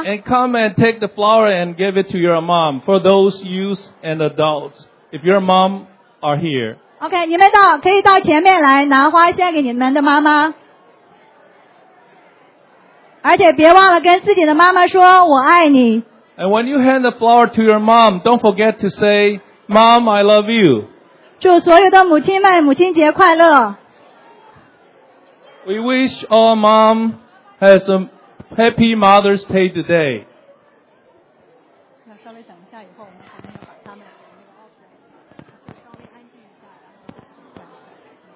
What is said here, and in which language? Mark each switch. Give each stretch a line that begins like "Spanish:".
English: And come and take the flower and give it to your mom, for those youths and adults, if your mom are here.
Chinese: OK, 你们到可以到前面来拿花献给你们的妈妈。而且别忘了跟自己的妈妈说我爱你。
English: And when you hand the flower to your mom, don't forget to say... Mom, I love you.
Chinese: 祝所有的母亲们母亲节快乐。
English: We wish all mom has a happy Mother's Day today.
Chinese: 要稍微等一下，以后我们还没有把他们那个 offer 稍微安静一下，然后再